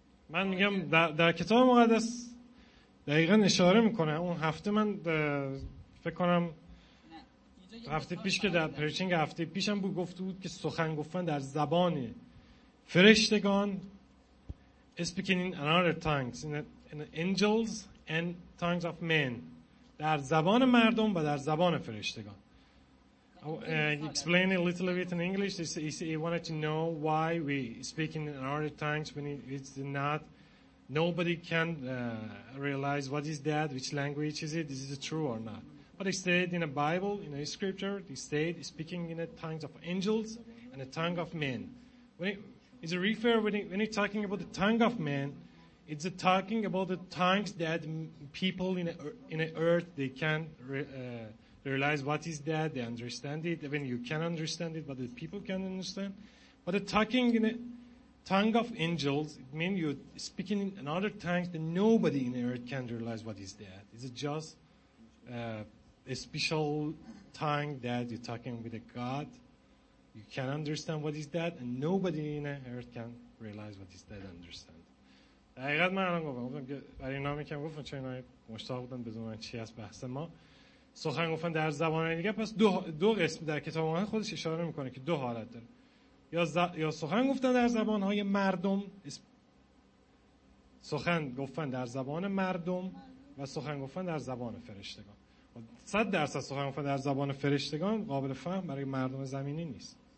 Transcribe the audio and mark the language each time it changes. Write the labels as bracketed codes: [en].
[fa] من میگم در کتاب مقدس دقیقا اشاره میکنه اون هفته من فکر کنم هفته پیش که در پریچینگ هفته پیشم بود گفته بود که سخن گفتن در زبان فرشتگان [en] speaking in another tongues in angels and tongues of men [fa] در زبان مردم و در زبان فرشتگان [en] explain a little bit in English. He wanted to know why we speak in another tongues when it's not. Nobody can realize what is that, which language is it, is it true or not. But he said in a Bible, in a scripture, he said speaking in the tongues of angels and the tongue of men. When he's talking about the tongue of men, it's talking about the tongues that people in the earth, they can realize what is that, they understand it, even you can understand it, but the people can understand. But the talking in the tongue of angels, it means you're speaking in another tongue that nobody in the earth can realize what is that. It's just a special tongue that you're talking with a God. You can understand what is that, and nobody in the earth can realize what is that and understand. I got my own goal. I didn't know what I was talking about. I was talking about [fa] سخن گفتن در زبان دیگه پس دو قسم در کتاب مقدس خودش اشاره میکنه که دو حالت داره یا سخن گفتن در زبان های مردم سخن گفتن در زبان مردم و سخن گفتن در زبان فرشتگان 100% سخن گفتن در زبان فرشتگان قابل فهم برای مردم زمینی نیست